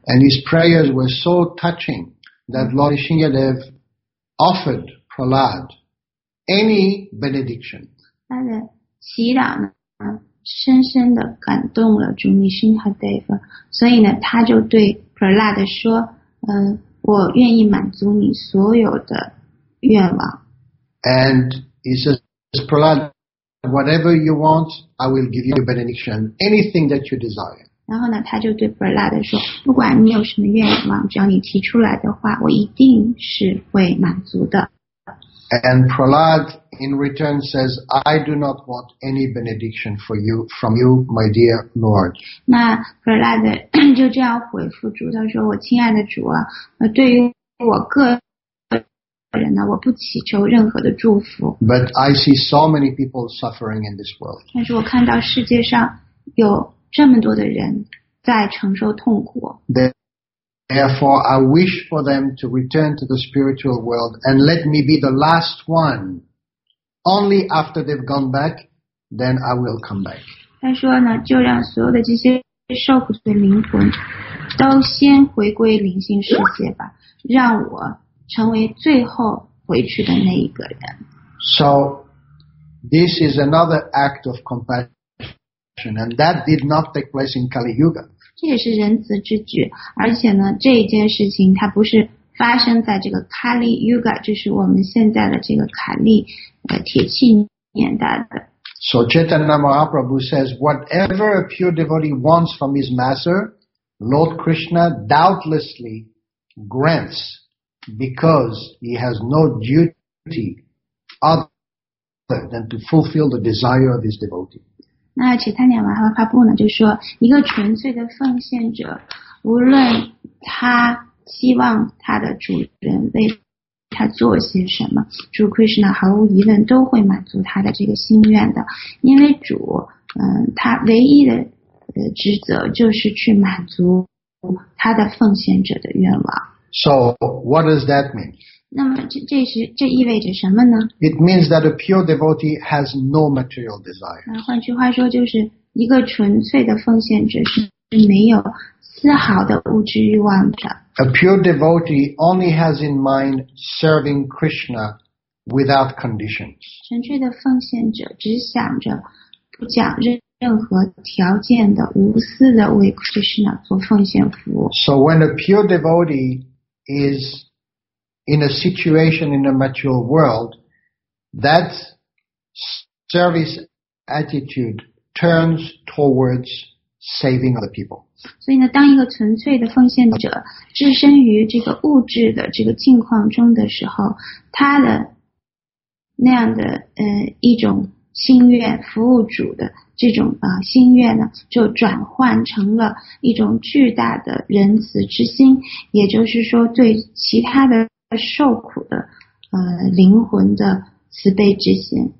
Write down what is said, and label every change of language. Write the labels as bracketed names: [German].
[English] And his prayers were so touching that Lord Nrisimhadev offered Prahlad any benediction. [Chinese] 他的祈祷呢，深深地感动了主女辛哈德，所以呢，他就对 Prahlad 说，我愿意满足你所有的愿望。 [English] And he says, Prahlad, whatever you want, I will give you a benediction, anything that you desire. [Chinese] 然后呢，他就对 Prahlad 说，不管你有什么愿望，只要你提出来的话，我一定是会满足的。 [English] And Prahlad in return says, I do not want any benediction for you, from you, my dear Lord. [Chinese] 那 Prahlad 就这样回复主，他说，我亲爱的主啊，对于我个人呢，我不祈求任何的祝福。 [English] But I see so many people suffering in this world. [Chinese] 但是我看到世界上有这么多的人在承受痛苦。 [English] Therefore, I wish for them to return to the spiritual world and let me be the last one. Only after they've gone back, then I will come back. [Chinese] 他说呢，就让所有的这些受苦的灵魂都先回归灵性世界吧，让我成为最后回去的那一个人。 [English] So, this is another act of compassion, and that did not take place in Kali Yuga. [Chinese] 这也是仁慈之举，而且呢，这一件事情它不是发生在这个 Kali Yuga， 就是我们现在的这个卡利铁器年代的。 [English] So Chaitanya Mahaprabhu says, whatever a pure devotee wants from his master, Lord Krishna doubtlessly grants because he has no duty other than to fulfill the desire of his devotee. [Chinese] 那其他两位发布呢就说，一个纯粹的奉献者，无论他希望他的主人为他做些什么，主 Krishna 毫无疑问都会满足他的这个心愿的，因为主他唯一的职责就是去满足他的奉献者的愿望。 [English] So what does that mean? [Chinese] 那么 这意味着什么呢？ [English] It means that a pure devotee has no material desire. [Chinese] 那换句话说，就是一个纯粹的奉献者是没有丝毫的物质欲望的。 [English] A pure devotee only has in mind serving Krishna without conditions. [Chinese] 纯粹的奉献者只想着不讲任何条件的无私的为 Krishna 做奉献服务。 [English] So when a pure devotee is in a situation in a mature world, that service attitude turns towards saving other people. [Chinese] 所以呢，当一个纯粹的奉献者置身于这个物质的这个境况中的时候，他的那样的一种心愿服务主的这种心愿呢，就转换成了一种巨大的仁慈之心，也就是说对其他的受苦的灵魂的慈悲之心。